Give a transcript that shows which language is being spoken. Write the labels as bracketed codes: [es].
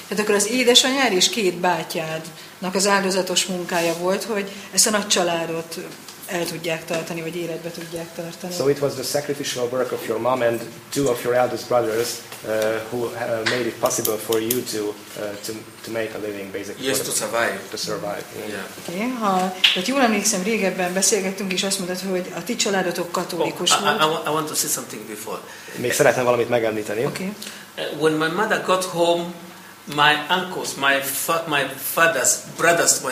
[hu] Tehát akkor az édesanyád és két bátyádnak az áldozatos munkája volt, hogy ezt a nagy családot el tudják tartani, vagy életbe tudják tartani. [en] So it was the sacrificial work of your mom and two of your eldest brothers who made it possible for you to make a living, basically. Yes, to survive. To survive. Yeah. Okay. [hu] Ha, tehát jól emlékszem, régebben beszélgettünk, és azt mondtad, hogy a ti családotok katolikus volt. [en] I want to say something before. [hu] Még szeretném valamit megemlíteni. [en] Okay. When my mother got home, my uncles, my father's brothers,